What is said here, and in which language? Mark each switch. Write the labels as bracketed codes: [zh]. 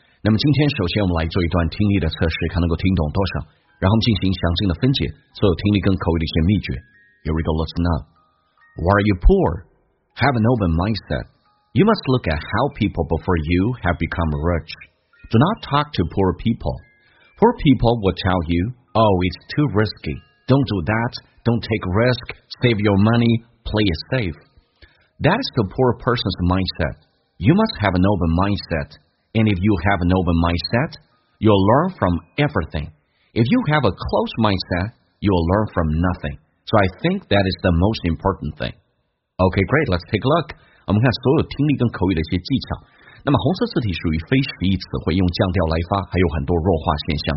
[zh] 那么今天首先我们来做一段听力的测试，看能够听懂多少，然后进行详尽的分解所有听力跟口语的一些秘诀。 [en] Here we go, listen up. Why are you poor? Have an open mindset. You must look at how people before you have become rich. Do not talk to poor people. Poor people will tell you, oh, it's too risky. Don't do that. Don't take risk. Save your money. Play it safe. That is the poor person's mindset. You must have an open mindset. And if you have an open mindset, you'll learn from everything. If you have a closed mindset, you'll learn from nothing. So I think that is the most important thing. Okay, great. Let's take a look. [zh] 我们看所有听力跟口语的一些技巧。那么红色字体属于非实义词汇，用降调来发，还有很多弱化现象。